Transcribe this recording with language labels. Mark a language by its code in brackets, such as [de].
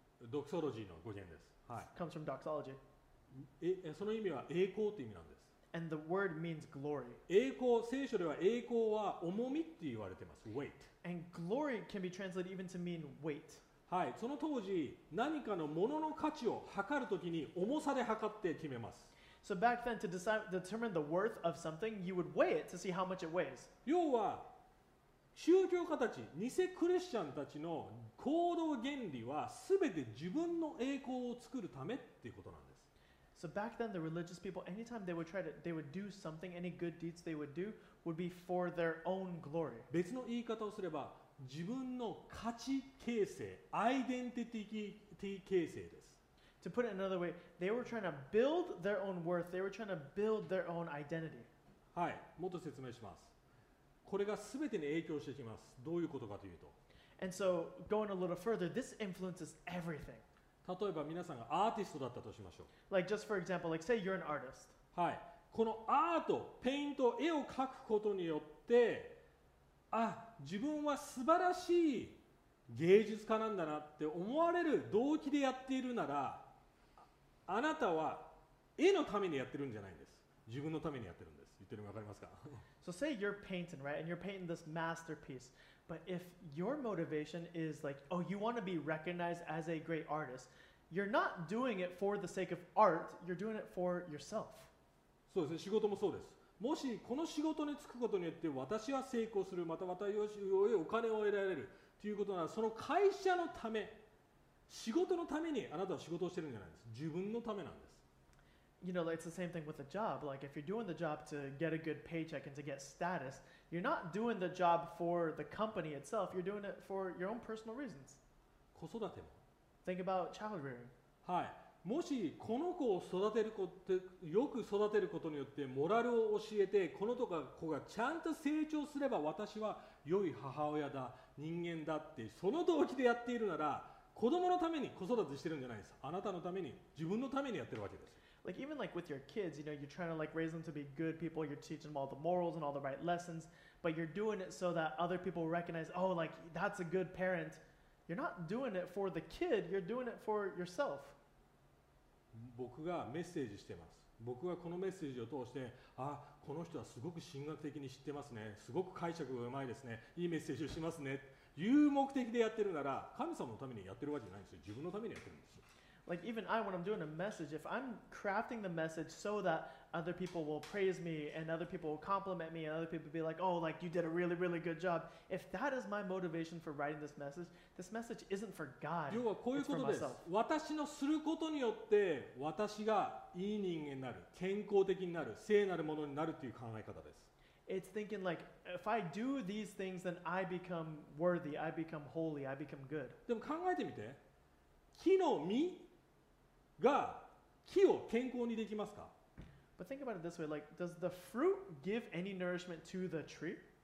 [ja] ドクソロジーの語源です。はい。 [en] Comes from doxology. [ja] その意味は栄光っていう意味なんです。 [en] And the word means glory. [ja] 栄光、聖書では栄光は重みって言われてます。 [en] Weight. And glory can be translated even to mean weight. [ja] はい、その当時何かの物の価値を測るときに重さで測って決めます。 [en] So back then to determine the worth of something, you would weigh it to see how much it weighs. [ja] 要は宗教家たち、偽クリスチャンたちの行動原理は全て自分の栄光を作るためっていうことなんです。 [en] So back then, the religious people, anytime they would try to, they would do something, any good deeds they would do, would be for their own glory. [ja] 別の言い方をすれば、自分の価値形成、アイデンティティ形成です。 [en] To put it another way, they were trying to build their own worth, they were trying to build their own identity. [ja] はい、もっと説明します。これが全てに影響してきます。どういうことかというと。 [en] And so, going a little further, this influences everything. [ja] 例えば皆さんがアーティストだったとしましょう。 [en] Like just for example, like say you're an artist. [ja] はい。このアート、ペイント、絵を描くことによって、あ、自分は素晴らしい芸術家なんだなって思われる動機でやっているなら、あなたは絵のためにやってるんじゃないんです。自分のためにやってるんです。言ってるの分かりますか？ [en] So say you're painting, right? And you're painting this masterpiece. But if your motivation is like, oh, you want to be recognized as a great artist, you're not doing it for the sake of art, you're doing it for yourself. [ja] そうですね、仕事もそうです。もしこの仕事に就くことによって私は成功する、また私はお金を得られるということなら、その会社のため、仕事のためにあなたは仕事をしてるんじゃないです。自分のためなんです。 [en] You know, it's the same thing with a job. Like if you're doing the job to get a good paycheck and to get status,You're not doing the job for the company itself. You're doing it for your own personal reasons. [ja] 子育ても。 [en] Think about child rearing. [ja] はい。もしこの子を育てること、よく育てることによってモラルを教えて、この子がちゃんと成長すれば私は良い母親だ、人間だって、その動機でやっているなら、子供のために子育てしてるんじゃないです。あなたのために、自分のためにやってるわけです。 [en] like even like with your kids, you know, you're trying to like raise them to be good people, you're teaching them all the morals and all the right lessons, but you're doing it so that other people recognize, oh, like that's a good parent. You're not doing it for the kid, you're doing it for yourself. [ja] 僕がメッセージしてます。僕がこのメッセージを通して、あ、この人はすごく神学的に知ってますね。すごく解釈がうまいですね。いいメッセージをしますね。いう目的でやってるなら、神様のためにやってるわけじゃないんですよ。自分のためにやってるんですよ。 [en] Like even I, when I'm doing a message, if I'm crafting the message so that other people will praise me and other people will compliment me and other people be like, oh, like you did a really, really good job. If that is my motivation for writing this message isn't for God, it's for myself. [ja] 要はこういうことです。私のすることによって私がいい人間になる、健康的になる、聖なるものになるという考え方です。 [en] It's thinking like, if I do these things, then I become worthy, I become holy, I become good. [ja] でも考えてみて。木の実が木を健康にできますか? [en] But think about it this way, like, does the fruit give any nourishment to the tree?